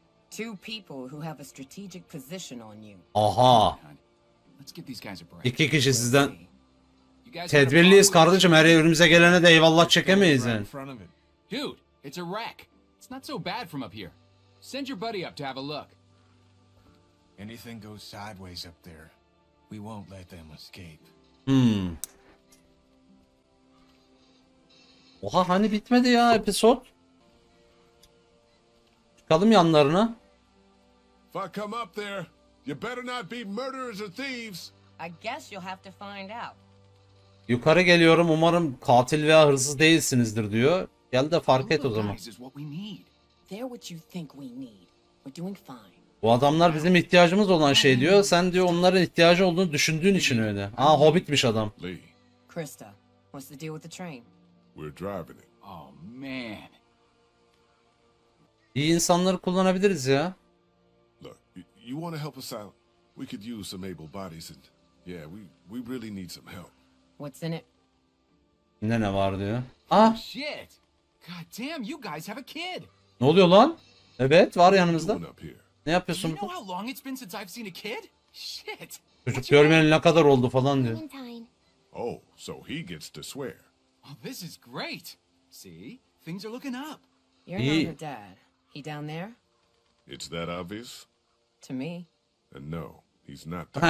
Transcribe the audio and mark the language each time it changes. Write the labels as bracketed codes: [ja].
[en] Two people who have a strategic position on you. Aha. Let's give these guys a break. [tr] İki kişi sizden. Tedbirliyiz kardeşim. Her yerimize gelene de eyvallah çekemeyiz. [en] Dude, it's a wreck. It's not so bad from up here. Send your buddy up to have a look. Anything goes sideways up there, we won't let them escape. [tr] Oha, hani bitmedi ya episode. Çıkalım yanlarına. [en] If I come up there, you better not be murderers or thieves. I guess you'll have to find out. [tr] Yukarı geliyorum, umarım katil veya hırsız değilsinizdir diyor. Gel de fark et o zaman. [en] They're what you think we need. We're doing fine. [tr] Bu adamlar bizim ihtiyacımız olan şey diyor. Sen diyor onların ihtiyacı olduğunu düşündüğün için öyle. Hobbitmiş adam. [en] Krista, what's the deal with the train? We're driving it. Oh man. [tr] İyi insanları kullanabiliriz ya. [en] Look, you want to help us out? We could use some able bodies and yeah, we really need some help. What's in it? [tr] Ne var diyor? Ah. [en] Shit. God damn, you guys have a kid. [tr] Ne oluyor lan? Evet, var yanımızda. Ne yapıyorsun burada? [en] You know how long it's been since I've seen a kid? Shit. [tr] Çocuk görmeyeli ne kadar oldu falan diyor. [en] Oh, so he gets to swear. Well, this is great. See? Things are looking up. You're not her dad. He down there? It's that obvious? To me. And no, he's not.